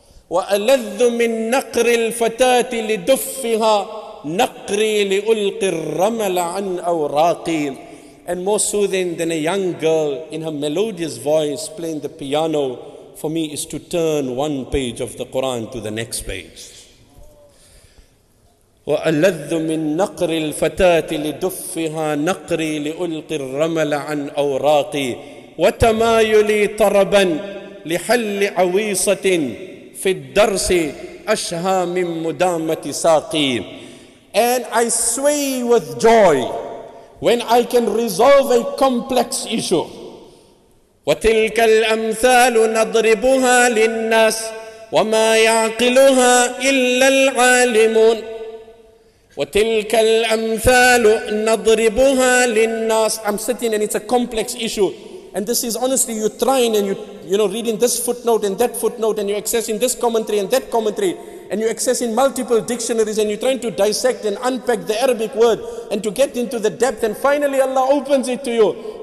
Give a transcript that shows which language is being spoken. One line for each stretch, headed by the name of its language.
Arabic: وَأَلَذُّ مِن نَقْرِ الْفَتَاةِ لِدُفِّهَا نَقْرِي لِأُلْقِ الرَّمَلَ عَنْ أَوْرَاقِي.
English: And more soothing than a young girl in her melodious voice playing the piano for me is to turn one page of the Quran to the next page.
Arabic: وَأَلَذُّ مِن نَقْرِ الْفَتَاةِ لِدُفِّهَا نَقْرِي لِأُلْقِ الرَّمَلَ عَنْ أَوْرَاقِي وَتَمَايُلِي طَرَبًا لحل عويصة في الدرس أشهى من مدامة ساقي.
English: And I sway with joy when I can resolve a complex issue.
Arabic: وتلك الأمثال نضربها للناس وما يعقلها إلا العالمون. وتلك الأمثال نضربها للناس.
English: I'm sitting and it's a complex issue. And this is honestly, you're trying and you're reading this footnote and that footnote, and you're accessing this commentary and that commentary, and you're accessing multiple dictionaries, and you're trying to dissect and unpack the Arabic word and to get into the depth, and finally Allah opens it to you.